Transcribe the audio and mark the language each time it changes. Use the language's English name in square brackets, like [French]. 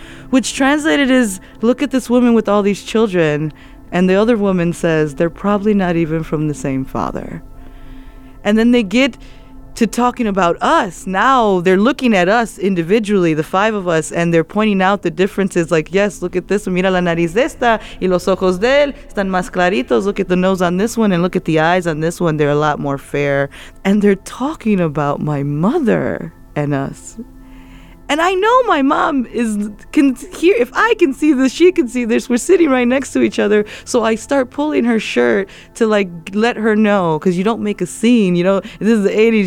[English] Which translated is, look at this woman with all these children. And the other woman says, they're probably not even from the same father. And then they get to talking about us. Now they're looking at us individually, the five of us, and they're pointing out the differences. Like, yes, look at this one. [Spanish] Mira la nariz de esta y los ojos de él están más claritos. [English] Look at the nose on this one and look at the eyes on this one. They're a lot more fair. And they're talking about my mother and us. And I know my mom is can hear, if I can see this, she can see this. We're sitting right next to each other. So I start pulling her shirt to, like, let her know, because you don't make a scene. You know, this is the 80s.